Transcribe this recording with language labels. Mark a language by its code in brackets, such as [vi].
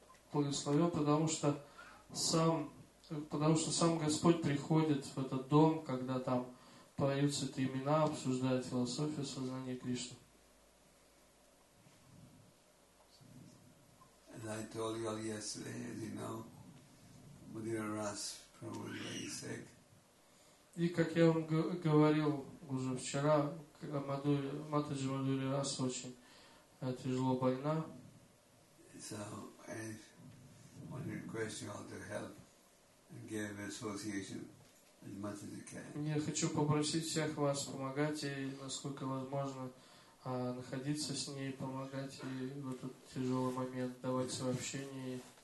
[ru] Потому что сам Господь приходит в этот дом, когда там поют святые имена, обсуждают философию сознания Кришны. [en] And I told you all yesterday, as you know, Madhira Ras Prabhu is very sick. [ru] И как я вам говорил уже вчера, Матаджи Мадхури Рас очень тяжело больна. [en] So I want to request you all to help and give association as much as you can. [ru] Я хочу попросить всех вас помогать ей, насколько возможно. Находиться с ней, помогать ей в этот тяжелый момент, давать свое общение.